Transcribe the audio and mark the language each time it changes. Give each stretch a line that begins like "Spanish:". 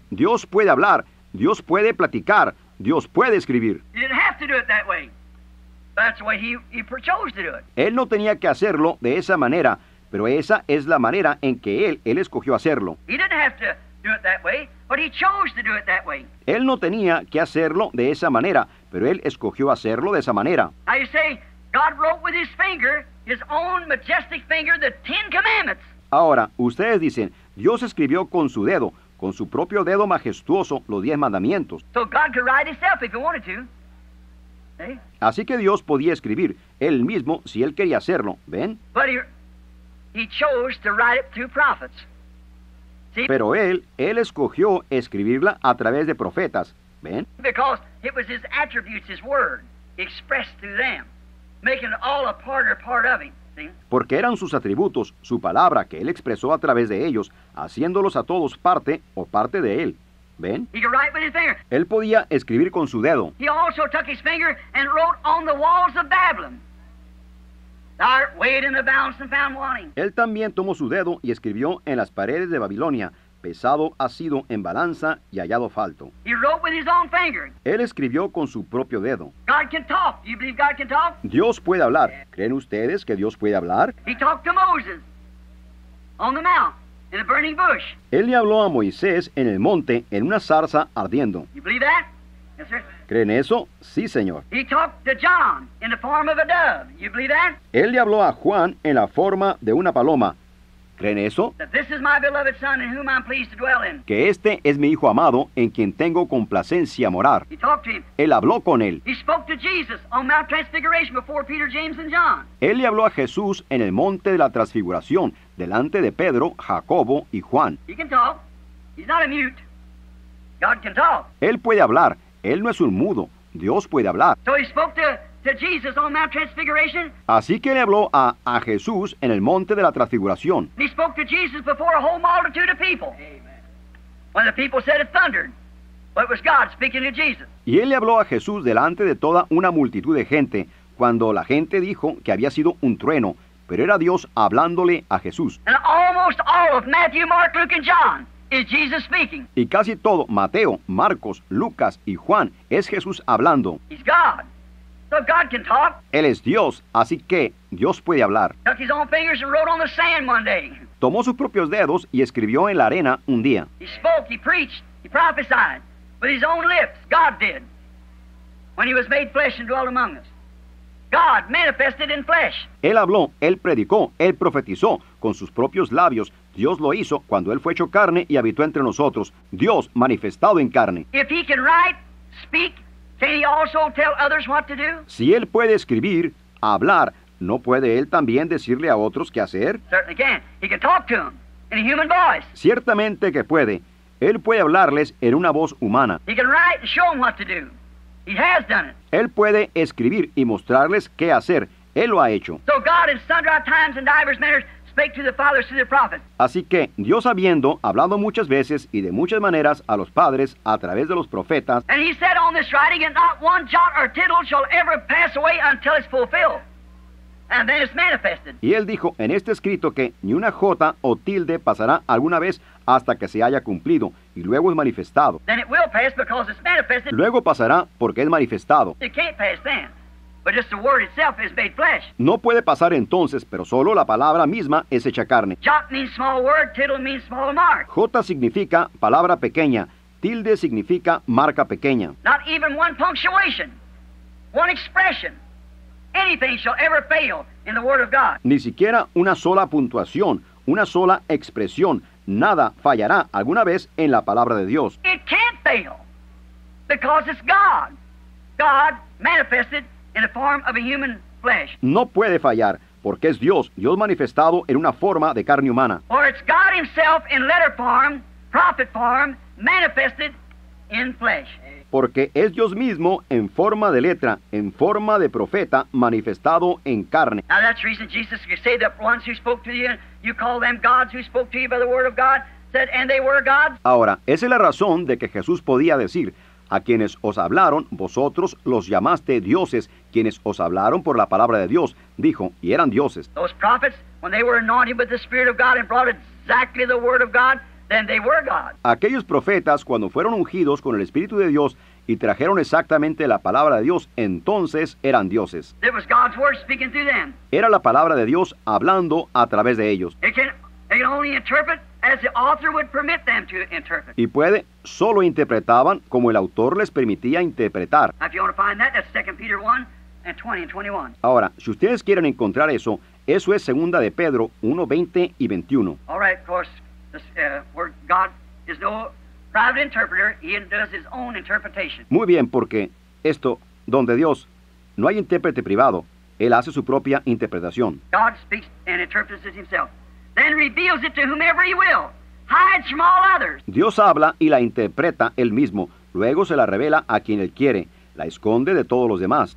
Spanish: Dios puede hablar, Dios puede platicar, Dios puede escribir.
English: He didn't have to do it that way. That's the way he chose to do it.
Spanish: Él no tenía que hacerlo de esa manera, pero esa es la manera en que él escogió hacerlo.
English: He didn't have to do it that way. But he chose to do it that way.
Spanish: Él no tenía que hacerlo de esa manera, pero él escogió hacerlo de esa manera.
English: Now you say, God wrote with his finger, his own majestic finger, the Ten Commandments.
Spanish: Ahora, ustedes dicen, Dios escribió con su propio dedo majestuoso, los 10 mandamientos.
English: So God could write himself if he wanted to. Hey?
Spanish: Así que Dios podía escribir él mismo si él quería hacerlo, ¿ven?
English: But he chose to write it through prophets.
Spanish: Pero él escogió escribirla a través de profetas, ¿ven?
English: Because it was his attributes, his word, expressed through them, making it all a part of him, see?
Spanish: Porque eran sus atributos, su palabra, que él expresó a través de ellos, haciéndolos a todos parte o parte de él, ¿ven?
English: He could write with his finger.
Spanish: Él podía escribir con su dedo.
English: He also took his finger and wrote on the walls of Babylon. Thou art weighed in the balance and found wanting.
Spanish: Él también tomó su dedo y escribió en las paredes de Babilonia, pesado ha sido en balanza y hallado falto.
English: He wrote with his own finger.
Spanish: Él escribió con su propio dedo.
English: God can talk. Do you believe God can talk?
Spanish: Dios puede hablar. ¿Creen ustedes que Dios puede hablar?
English: He talked to Moses on the mount. In a burning bush.
Spanish: Él le habló a Moisés en el monte en una zarza ardiendo.
English: You believe that? Yes, sir.
Spanish: ¿Creen eso? Sí, señor.
English: He talked to John in the form of a dove. You believe that?
Spanish: Él le habló a Juan en la forma de una paloma. ¿Creen eso?
English: That this is my beloved son in whom I'm pleased to dwell in.
Spanish: Que este es mi hijo amado en quien tengo complacencia morar.
English: He talked to him.
Spanish: Él habló con él.
English: He spoke to Jesus on Mount Transfiguration before Peter, James and John.
Spanish: Él le habló a Jesús en el monte de la transfiguración delante de Pedro, Jacobo y Juan.
English: He can talk. He's not a mute. God can talk.
Spanish: Él puede hablar. Él no es un mudo. Dios puede hablar.
English: So he spoke to Jesus on Mount Transfiguration.
Spanish: Así que le habló a Jesús en el monte de la transfiguración.
English: He spoke to Jesus before a whole multitude of people. Amen. When the people said it thundered. But it was God speaking to Jesus.
Spanish: Y él le habló a Jesús delante de toda una multitud de gente cuando la gente dijo que había sido un trueno, pero era Dios hablándole a Jesús.
English: And almost all of Matthew, Mark, Luke and John. Is Jesus speaking?
Spanish: Y casi todo, Mateo, Marcos, Lucas y Juan, es Jesús hablando.
English: He's God. So God can talk.
Spanish: Él es Dios, así que Dios puede hablar.
English: Took his own fingers and wrote on the sand one day.
Spanish: Tomó sus propios dedos y escribió en la arena un día.
English: He spoke, he preached, he prophesied with his own lips. God did. When he was made flesh and dwelt among us. God manifested in flesh.
Spanish: Él habló, él predicó, él profetizó con sus propios labios. Dios lo hizo cuando Él fue hecho carne y habitó entre nosotros. Dios manifestado en carne.
English: If he can write, speak, can he also tell others what to do?
Spanish: Si Él puede escribir, hablar, ¿no puede Él también decirle a otros qué hacer?
English: Certainly can. He can talk to them in a human voice.
Spanish: Ciertamente que puede. Él puede hablarles en una voz humana.
English: He can write and show them what to do. He has done it.
Spanish: Él puede escribir y mostrarles qué hacer. Él lo ha hecho.
English: So God in sundry times and divers manners spake to the fathers through the prophets.
Spanish: Así que Dios habiendo hablado muchas veces y de muchas maneras a los padres a través de los profetas.
English: And he said on this writing, and not one jot or tittle shall ever pass away until it's fulfilled. And then it's manifested.
Spanish: Y él dijo en este escrito que ni una jota o tilde pasará alguna vez hasta que se haya cumplido y luego es manifestado.
English: Then it will pass because it's manifested.
Spanish: Luego pasará porque es manifestado.
English: It can't pass then. But just the word itself is made flesh.
Spanish: No puede pasar entonces, pero solo la palabra misma es hecha carne.
English: Jot means small word, tittle means small mark.
Spanish: Jota significa palabra pequeña, tilde significa marca pequeña.
English: Not even one punctuation, one expression, anything shall ever fail in the word of God.
Spanish: Ni siquiera una sola puntuación, una sola expresión, nada fallará alguna vez en la palabra de Dios.
English: It can't fail, because it's God. God manifested in the form of a human flesh.
Spanish: No puede fallar, porque es Dios, Dios manifestado en una forma de carne humana.
English: Or it's God himself in letter form, prophet form, manifested in flesh.
Spanish: Porque es Dios mismo en forma de letra, en forma de profeta, manifestado en carne.
English: Now that's the reason Jesus could say that ones who spoke to you, you call them gods who spoke to you by the word of God, said, and they were gods.
Spanish: Ahora, esa es la razón de que Jesús podía decir, a quienes os hablaron, vosotros los llamaste dioses, quienes os hablaron por la palabra de Dios, dijo, y eran dioses.
English: Those prophets, when they were anointed with the Spirit of God and brought exactly the word of God, then they were God.
Spanish: Aquellos profetas, cuando fueron ungidos con el Espíritu de Dios y trajeron exactamente la palabra de Dios, entonces eran dioses.
English: It was God's word speaking through them.
Spanish: Era la palabra de Dios hablando a través de ellos.
English: They can only interpret as the author would permit them to interpret.
Spanish: Y puede, solo interpretaban como el autor les permitía interpretar.
English: If you want to find that, that's 2 Peter 1 and 20 and 21.
Spanish: Ahora, si ustedes quieren encontrar eso, eso es 2 de Pedro 1, 20 y 21.
English: All right, of course, this, where God is no private interpreter, he does his own interpretation.
Spanish: Muy bien, porque esto, donde Dios, no hay intérprete privado, él hace su propia interpretación.
English: God speaks and interprets it himself. Then reveals it to whomever he will. Hides from all others.
Spanish: Dios habla y la interpreta él mismo. Luego se la revela a quien él quiere. La esconde de todos los demás.